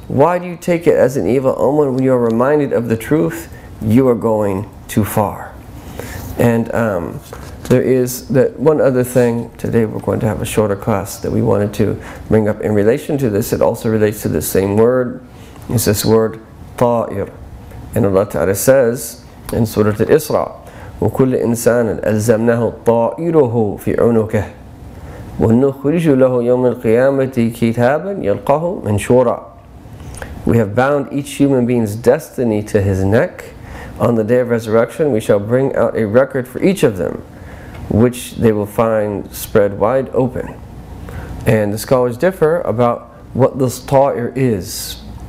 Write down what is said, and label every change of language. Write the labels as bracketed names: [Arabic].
[English] Why do you take it as an evil omen when you are reminded of the truth? You are going too far. And there is that one other thing. Today we're going to have a shorter class that we wanted to bring up in relation to this. It also relates to the same word. It's this word, ta'ir. And Allah Ta'ala says in Surah Al-Isra, [Arabic] وَكُلِّ إِنسَانٍ أَلْزَمْنَهُ طَائِرُهُ فِي عُنُكِهِ وَنُخْرِجُ لَهُ يَوْمِ الْقِيَامَةِ كِتَابًا يَلْقَهُ مَنْشُورًا. [English] We have bound each human being's destiny to his neck. On the day of resurrection, we shall bring out a record for each of them, which they will find spread wide open. And the scholars differ about what this ta'ir is.